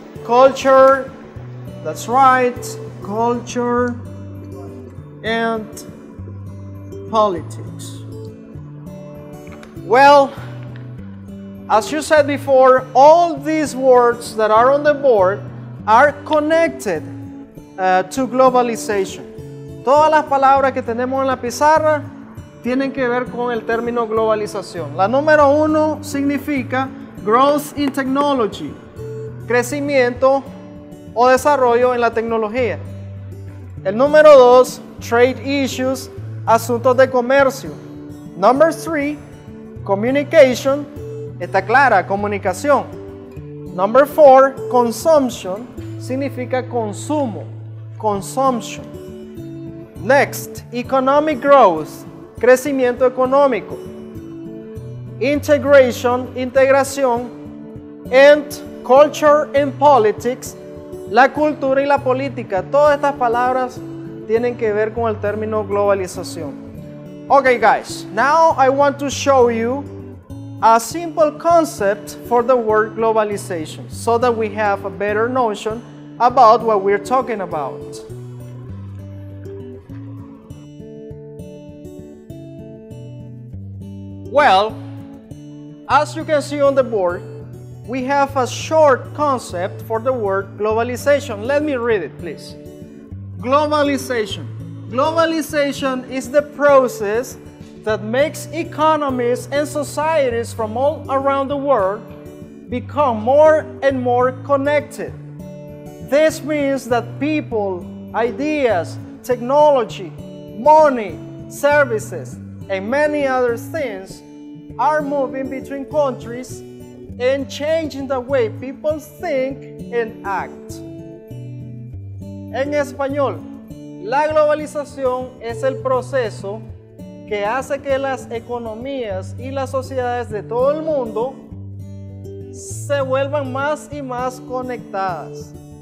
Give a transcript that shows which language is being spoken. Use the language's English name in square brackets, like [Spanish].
[English] Culture, that's right. Culture and politics. Well, as you said before, all these words that are on the board are connected to globalization. [Spanish] Todas las palabras que tenemos en la pizarra tienen que ver con el término globalización. La número uno significa [English] growth in technology, [Spanish] crecimiento o desarrollo en la tecnología. El número dos, [English] trade issues, [Spanish] asuntos de comercio. [English] Number three, communication, [Spanish] está clara, comunicación. [English] Number four, consumption, [Spanish] significa consumo, [English] consumption. Next, economic growth, [Spanish] crecimiento económico, [English] integration, integración, and culture and politics, [Spanish] la cultura y la política. Todas estas palabras tienen que ver con el término globalización. [English] Okay, guys, now I want to show you a simple concept for the word globalization so that we have a better notion about what we're talking about. Well, as you can see on the board, we have a short concept for the word globalization. Let me read it, please. Globalization. Globalization is the process that makes economies and societies from all around the world become more and more connected. This means that people, ideas, technology, money, services, and many other things are moving between countries and changing the way people think and act. [Spanish] En español, la globalización es el proceso que hace que las economías y las sociedades de todo el mundo se vuelvan más y más conectadas.